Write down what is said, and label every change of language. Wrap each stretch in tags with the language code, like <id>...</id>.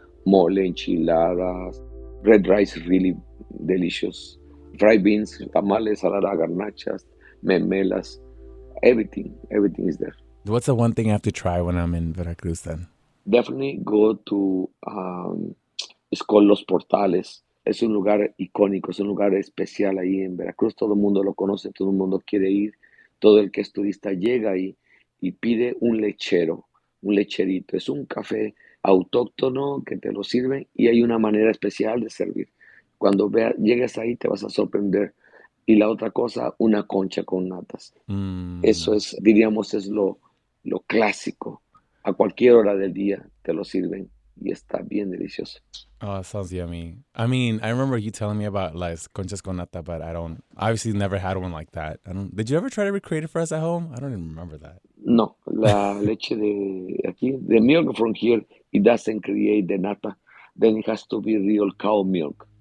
<en>Mole, enchiladas, red rice, really delicious. Fried beans, tamales, salada, garnachas, memelas, everything is there. What's the one thing I have to try when I'm in Veracruz then? Definitely go to, it's called Los Portales.</en> <es>Es un lugar icónico, es un lugar especial ahí en Veracruz. Todo el mundo lo conoce, todo el mundo quiere ir. Todo el que es turista llega ahí y pide un lechero, un lecherito. Es un café autóctono que te lo sirven y hay una manera especial de servir. Cuando veas, llegues ahí, te vas a sorprender. Y la otra cosa, una concha con natas. Mm. Eso es, diríamos, es lo clásico. A cualquier hora del día te lo sirven y está bien delicioso.</es> <en>Oh, that sounds yummy. I mean, I remember you telling me about</en> <es>las conchas con nata,</es> <en>but I don't, obviously never had one like that. Did you ever try to recreate it for us at home? I don't even remember that. No,</en> <es>la leche de aquí,</es> <en>the milk from here, it doesn't create the nata. Then it has to be real cow milk.</en>